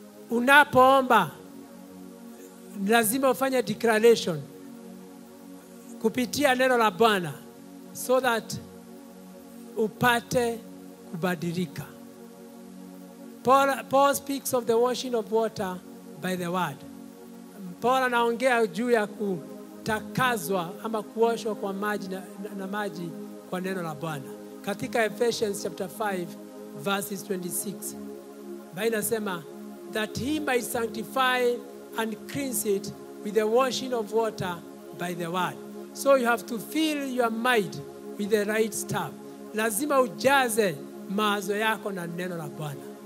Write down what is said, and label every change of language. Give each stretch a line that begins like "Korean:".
Swahili: Unapoomba, lazima ufanya declaration kupitia neno la Bwana,
English: so that
Swahili: upate kubadilika.
English: Paul speaks of the washing of water by the word.
Swahili: Paul anaongea juu ya kutakazwa ama kuoshwa kwa maji na maji kwa neno la Bwana. Katika
English: Ephesians chapter 5 verses 26,
Swahili: Biblia inasema
English: that he might sanctify and cleanse it with the washing of water by the word. So you have to fill your mind with the right stuff.
Swahili: Lazima ujaze mawazo yako na neno la Bwana.